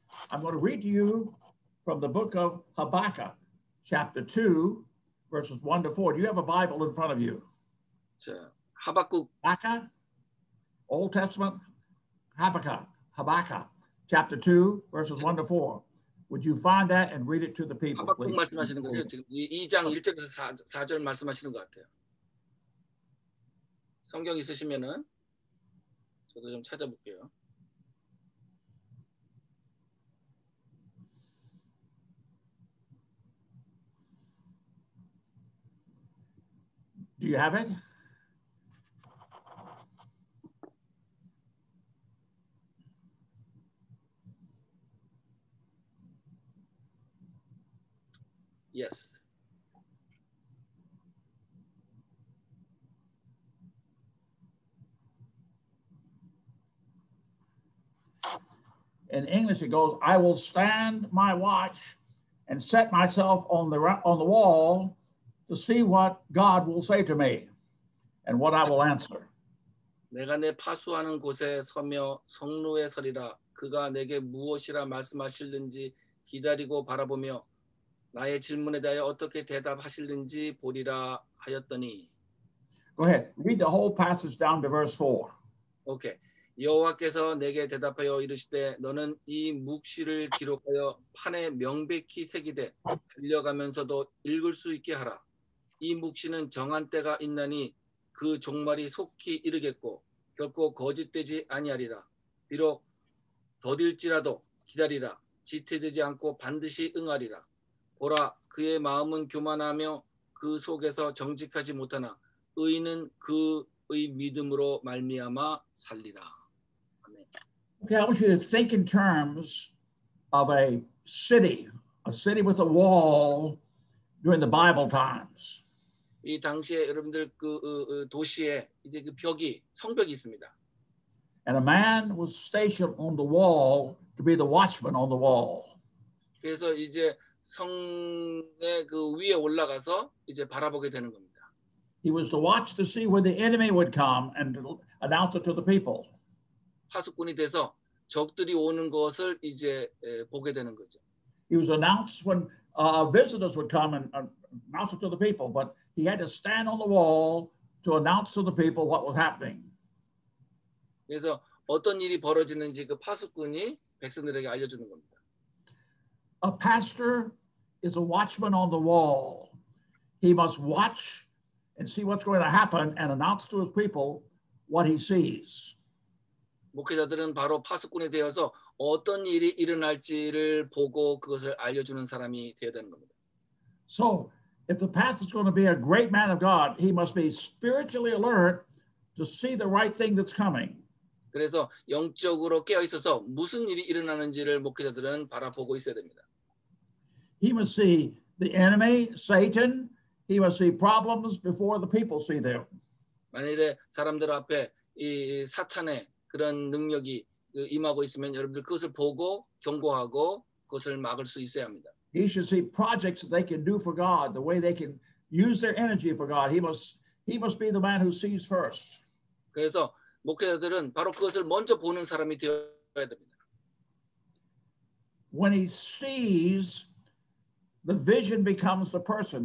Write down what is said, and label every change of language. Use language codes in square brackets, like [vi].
[en] I'm going to read to you from the book of Habakkuk, chapter 2, verses 1 to 4. Do you have a Bible in front of you? [ko] 자, 하박국. [en] Habakkuk, Old Testament, Habakkuk, chapter 2, verses 1 to 4. Would you find that and read it to the people, please? [ko] 하박국 말씀하시는 거죠? 지금 2장 1절에서 4절 말씀하시는 것 같아요. 성경 있으시면은 저도 좀 찾아볼게요. [en] 두 유해브 잇? 예스. In English, it goes, I will stand my watch and set myself on the wall to see what God will say to me and what I will answer. [ko] 내가 내 파수하는 곳에 서며 성루에 서리라. 그가 내게 무엇이라 말씀하실는지 기다리고 바라보며 나의 질문에 대해 어떻게 대답하실는지 보리라 하였더니. [en] Go ahead. Read the whole passage down to verse 4. Okay. [ko] 여호와께서 내게 대답하여 이르시되 너는 이 묵시를 기록하여 판에 명백히 새기되 달려가면서도 읽을 수 있게 하라. 이 묵시는 정한 때가 있나니 그 종말이 속히 이르겠고 결코 거짓되지 아니하리라. 비록 더딜지라도 기다리라. 지체되지 않고 반드시 응하리라. 보라 그의 마음은 교만하며 그 속에서 정직하지 못하나 의인은 그의 믿음으로 말미암아 살리라. [en] Okay, I want you to think in terms of a city with a wall during the Bible times. [ko] 이 당시에 여러분들 그 도시에 이제 그 벽이 성벽이 있습니다. [en] And a man was stationed on the wall to be the watchman on the wall. [ko] 그래서 이제 성의 그 위에 올라가서 이제 바라보게 되는 겁니다. [en] He was to watch to see where the enemy would come and announce it to the people. [ko] 파수꾼이 돼서 적들이 오는 것을 이제 보게 되는 거죠. [en] He was announced when visitors would come and announce it to the people, but he had to stand on the wall to announce to the people what was happening. [ko] 그래서 어떤 일이 벌어지는지 그 파수꾼이 백성들에게 알려주는 겁니다. [en] A pastor is a watchman on the wall. He must watch and see what's going to happen and announce to his people what he sees. [ko] 목회자들은 바로 파수꾼이 되어서 어떤 일이 일어날지를 보고 그것을 알려주는 사람이 되어야 되는 겁니다. [en] So, if the pastor is going to be a great man of God, he must be spiritually alert to see the right thing that's coming. [ko] 그래서 영적으로 깨어 있어서 무슨 일이 일어나는지를 목회자들은 바라보고 있어야 됩니다. [en] He must see the enemy, Satan. He must see problems before the people see them. [ko] 만일에 사람들 앞에 이 사탄의 그런 능력이 임하고 있으면 여러분들 그것을 보고 경고하고 그것을 막을 수 있어야 합니다. [en] He should see projects they can do for God, the way they can use their energy for God. He must be the man who sees first. [ko] 그래서 목회자들은 바로 그것을 먼저 보는 사람이 되어야 됩니다. [en] When he sees, the vision becomes the person.